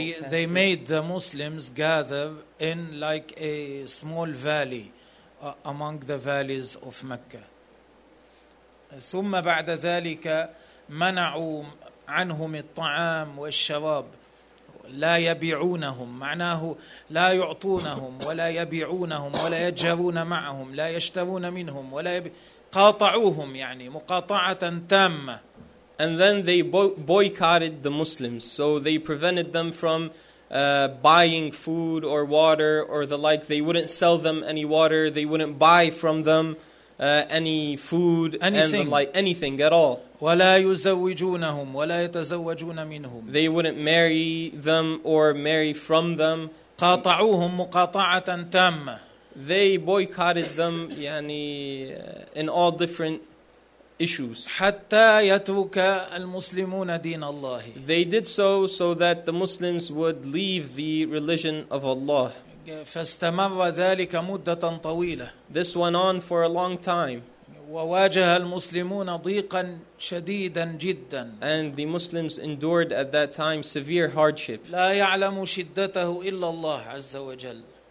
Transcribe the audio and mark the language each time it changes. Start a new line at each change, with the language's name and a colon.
English: they made the Muslims gather in like a small valley among the valleys of Mecca.
Arabic: ثم بعد ذلك منعوا عنهم الطعام والشراب لا يبيعونهم معناه لا يعطونهم ولا يبيعونهم ولا يجهرون معهم لا يشترون منهم ولا قاطعوهم يعني مقاطعة تامة.
English: And then they boycotted the Muslims, so they prevented them from buying food or water or the like. They wouldn't sell them any water, they wouldn't buy from them any food, anything. And like anything at all.
Arabic: ولا يزوجونهم ولا يتزوجون منهم.
English: They wouldn't marry them or marry from them.
Arabic: قاطعوهم مقاطعة تامة.
English: They boycotted them يعني in all different issues.
Arabic: حتى يترك المسلمون دين الله.
English: They did so that the Muslims would leave the religion of Allah.
Arabic: فاستمر ذلك مدة طويلة.
English: This went on for a long time.
Arabic: وواجه المسلمون ضيقا شديدا جدا.
English: And the Muslims endured at that time severe hardship.
Arabic: لا يعلم شدته إلا الله عز وجل.